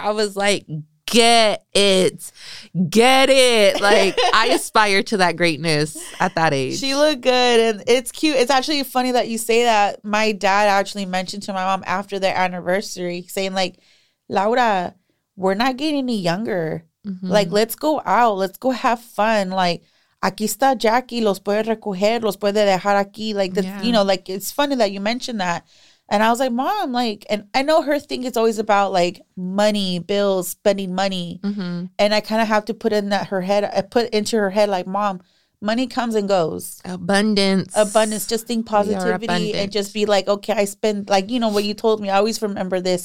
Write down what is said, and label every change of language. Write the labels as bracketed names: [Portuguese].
[English] I was like, get it. Like, I aspire to that greatness at that age. She looked good, and it's cute. It's actually funny that you say that. My dad actually mentioned to my mom after their anniversary, saying like, Laura, we're not getting any younger. Mm-hmm. Like, let's go out, let's go have fun. Like, [Spanish] aquí está Jackie, los puede recoger, los puede dejar aquí. [English] Like, you know, like, it's funny that you mentioned that. And I was like, Mom, like, and I know her thing is always about like money, bills, spending money. Mm-hmm. And I kind of have to put into her head, like, Mom, money comes and goes. Abundance. Just think positivity and just be like, okay, I spend, like, you know, what you told me. I always remember this.